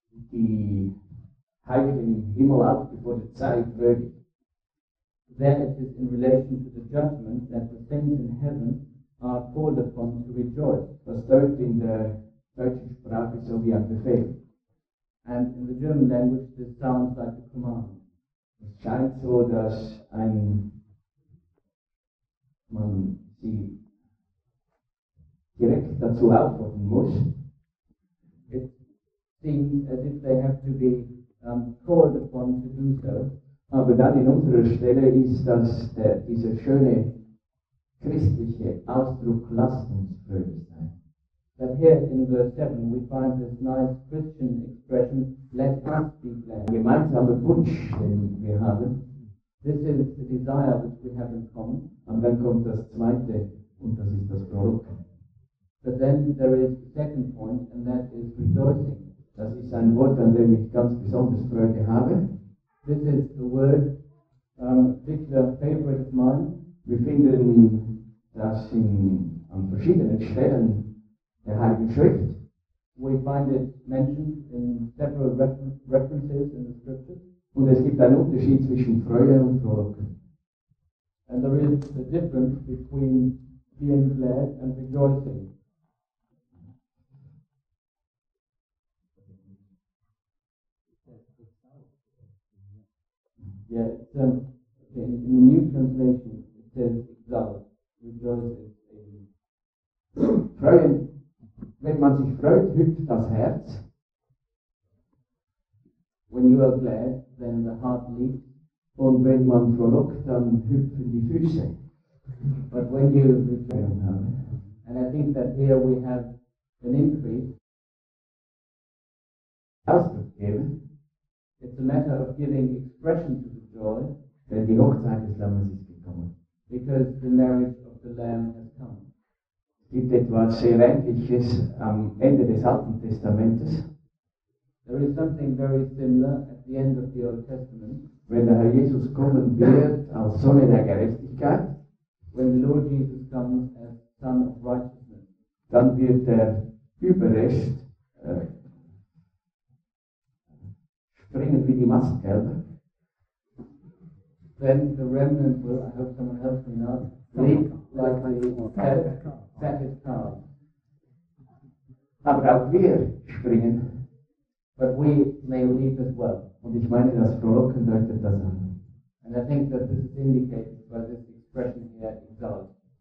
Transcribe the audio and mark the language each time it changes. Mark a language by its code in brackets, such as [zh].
[en] He hired him in Himalaya before the Tzadik verdict. Then it is in relation to the judgment that the saints in heaven are called upon to rejoice. [de] Was dort in der deutschen Sprache so wie ein Befehl. [en] And in the German language this sounds like a command. [de] Es scheint so, dass man sie direkt dazu aufrufen muss. [en] Seems as if they have to be called upon to do so. [de] Aber dann in unserer Stelle ist das dieser schöne christliche Ausdruck, lasst uns fröhlich sein. [en] But here in verse 7 we find this nice Christian expression, let us be glad. [de] Gemeinsamer Wunsch, den wir haben. [en] This is the desire which we have in common. [de] Und dann kommt das zweite, und das ist das Produkt. [en] But then there is the second point, and that is rejoicing. [de] Das ist ein Wort, an dem ich ganz besonders Freude habe. [en] This is the word, particular favorite of mine. [de] Wir finden das an verschiedenen Stellen der Heiligen Schrift. [en] We find it mentioned in several references in the scriptures. [de] Und es gibt einen Unterschied zwischen Freude und Frohlocken. [en] And there is a difference between being glad and rejoicing. Yeah, it's, in the new translation it says exult, rejoices in [de] Freuen. Wenn man sich freut, hüpft das Herz. [en] When you are glad, then the heart leaps. [de] Und wenn man frohlockt, dann hüpfen die Füße. [en] But when you return, and I think that here we have an increase. [de] Ausdruck geben. [en] It's a matter of giving expression to the joy. [de] Denn die Hochzeit des Lammes ist gekommen. [en] Because the marriage of the Lamb has come. [de] Es gibt etwas sehr Ähnliches am Ende des Alten Testamentes. [en] There is something very similar at the end of the Old Testament. [de] Wenn der Herr Jesus kommen wird als Sohn der Gerechtigkeit. [en] When the Lord Jesus comes as Son of Righteousness. [de] Dann wird der Überrest springen wie die Mastkälber. [en] Then the remnant will, I hope someone helps me now, leap like the fattest calf. [de] Aber auch wir springen. [en] But we may leap as well. [de] Und ich meine, das Frohlocken deutet das an. [en] And I think that this is indicated by this expression here, exalt.